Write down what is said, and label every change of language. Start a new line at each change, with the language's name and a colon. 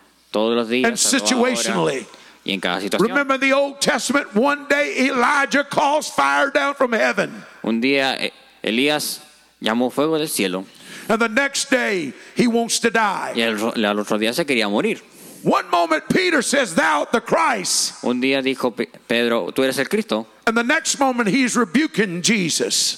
Spanish: Todos los días.
English: And situationally.
Spanish: Y en cada situación.
English: Remember in the Old Testament, one day Elijah calls fire down from heaven.
Spanish: Un día Elías llamó fuego del cielo.
English: And the next day he wants to die.
Spanish: Y al otro día se quería morir.
English: One moment Peter says, "Thou the Christ."
Spanish: Un día dijo Pedro, "Tú eres el Cristo."
English: And the next moment he is rebuking Jesus.